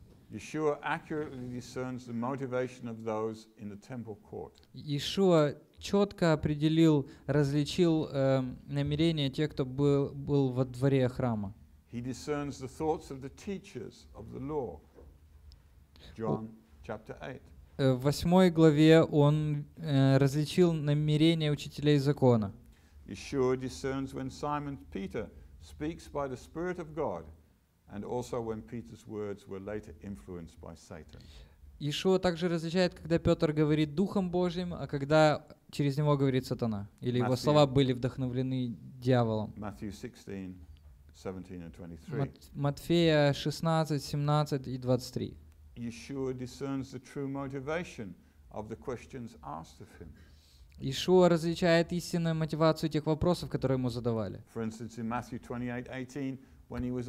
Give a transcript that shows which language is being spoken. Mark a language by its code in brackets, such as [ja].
[en] Yeshua accurately discerns the motivation of those in the temple court. [ru] Yeshua четко определил, различил намерения тех, кто был во дворе храма. [en] He discerns the thoughts of the teachers of the law. John chapter 8. [ru] В 8 главе он различил намерения учителей закона. [en] Yeshua discerns when Simon Peter speaks by the Spirit of God, and also when Peter's words were later influenced by Satan. [ru] Yeshua также различает, когда Петр говорит Духом Божьим, а когда через него говорит сатана, или его слова были вдохновлены дьяволом. [en] Matthew 16, 17 and 23. [ru] Матфея 16, 17 и 23. [en] Yeshua discerns the true motivation of the questions asked of him. [ru] Yeshua различает истинную мотивацию тех вопросов, которые ему задавали. [en] For instance, in Matthew 28, 18, when he was